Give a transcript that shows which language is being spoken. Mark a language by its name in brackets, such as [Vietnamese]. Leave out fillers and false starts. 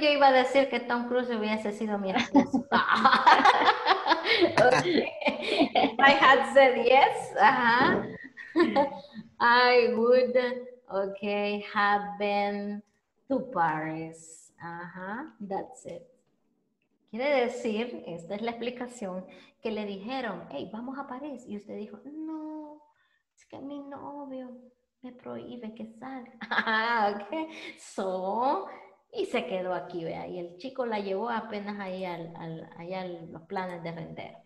[Spanish] Yo iba a decir que Tom Cruise hubiese sido mi esposo. [English] Okay. If I had said yes, I would, ok, have been to Paris. That's it. [Spanish] Quiere decir, esta es la explicación, que le dijeron, hey, vamos a París. Y usted dijo, no, es que mi novio me prohíbe que salga. Okay. So, y se quedó aquí, vea. Y el chico la llevó apenas ahí a los planes de vender.